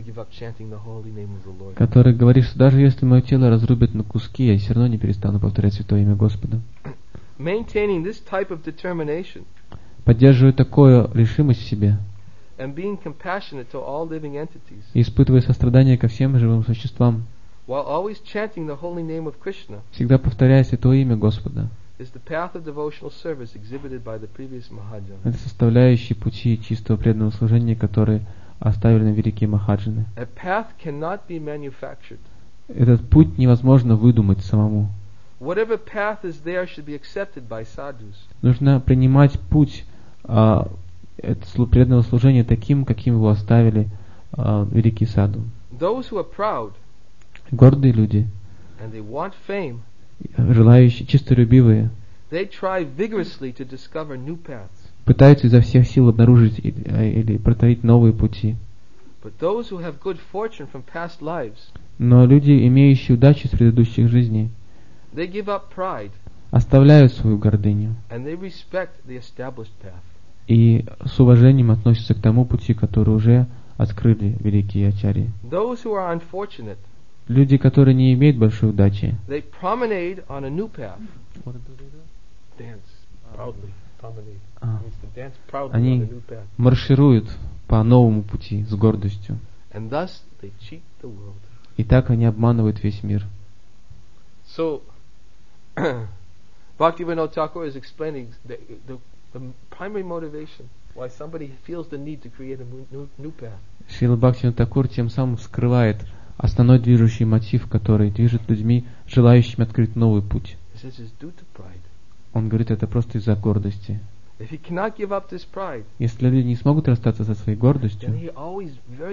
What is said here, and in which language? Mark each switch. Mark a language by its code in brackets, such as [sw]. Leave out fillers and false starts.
[ru] Который говорит, что даже если мое тело разрубят на куски, я все равно не перестану повторять святое имя Господа. [en] Maintaining this type of determination. [ru] Поддерживая такую решимость в себе. [en] And being compassionate to all living entities. [ru] Испытывая сострадание ко всем живым существам. [en] While always chanting the holy name of Krishna. [ru] Всегда повторяя святое имя Господа. [en] Is the path of devotional service exhibited by the previous mahajan. [ru] Это составляющие пути чистого преданного служения, которые оставили нам великие махаджаны. [en] A path cannot be manufactured. [ru] Этот путь невозможно выдумать самому. [en] Whatever path is there should be accepted by sadhus. [ru] Нужно принимать путь это преданного служения таким, каким его оставили великий саду. [en] Those who are proud, [ru] гордые люди, [en] and they want fame, [ru] желающие, чистолюбивые, [en] they try vigorously to discover new paths. [ru] Пытаются изо всех сил обнаружить или протарить новые пути. [en] But those who have good fortune from past lives, [ru] но люди, имеющие удачу с предыдущих жизней, [en] they give up pride, [ru] оставляют свою гордыню, [en] and they respect the established path. [ru] И с уважением относятся к тому пути, который уже открыли великие ачарьи. [en] Those who are unfortunate, [ru] люди, которые не имеют большой удачи, [en] they promenade on a new path. What do they do? Dance proudly. [ru] Они [en] on a new path. [ru] Маршируют по новому пути с гордостью. [en] And thus they cheat the world. [ru] И так они обманывают весь мир. [en] So, Bhaktivinoda Thakur is explaining the the primary motivation why somebody feels the need to create a new path. [ru] Шрила Бхактивинода Такур тем самым скрывает основной движущий мотив, который движет людьми, желающими открыть новый путь. [en] This is due to pride. [ru] Он говорит, это просто из-за гордости. [en] If he cannot give up this pride, [ru] если люди не смогут расстаться со своей гордостью, [en] then he always very